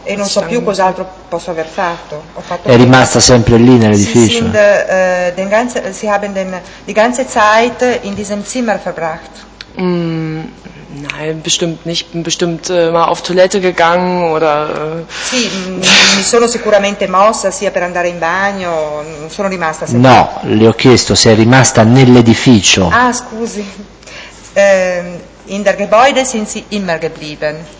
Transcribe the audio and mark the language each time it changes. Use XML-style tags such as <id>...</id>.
<it>E non so più cos'altro posso aver fatto. Ho fatto. È rimasta sempre lì nell'edificio.</it> <de>Sie haben die ganze Zeit in diesem Zimmer verbracht. Nein, bestimmt nicht. Bin bestimmt mal auf Toilette gegangen oder.</de> <it>Sì, mi sono sicuramente mossa sia per andare in bagno. Sono rimasta. Sempre. No, le ho chiesto se è rimasta nell'edificio. Ah, scusi.</it> <de>In der Gebäude sind Sie immer geblieben.</de>